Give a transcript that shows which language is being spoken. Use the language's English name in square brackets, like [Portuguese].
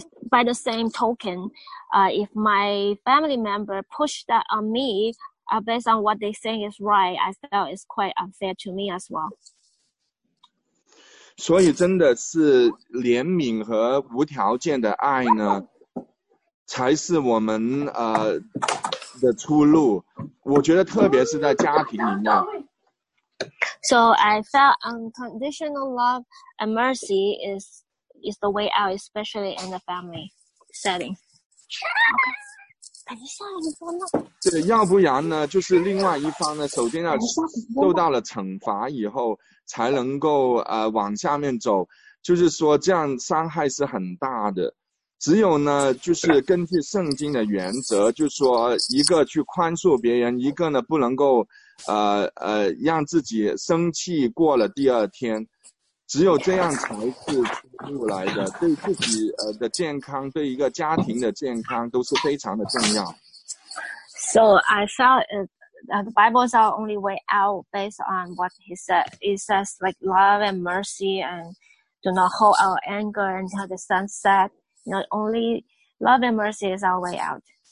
[English] By the same token, if my family member push that on me, based on what they think is right, I felt it's quite unfair to me as well. [Chinese] 所以真的是怜悯和无条件的爱呢。才是我们的出路，我觉得特别是在家庭里面。 [English] So I felt unconditional love and mercy is the way out, especially in the family setting. Okay. [Chinese] 等一下，你说呢？要不然呢？就是另外一方呢，首先要受到了惩罚以后，才能够往下面走。就是说，这样伤害是很大的。只有呢，就是根据圣经的原则，就是说一个去宽恕别人，一个呢不能够，让自己生气过了第二天，只有这样才是出路来的。对自己的健康，对一个家庭的健康都是非常的重要。 [English] So I felt the Bible is our only way out based on what he said. It says like love and mercy and do not hold our anger until the sun set. Not only love and mercy is our way out.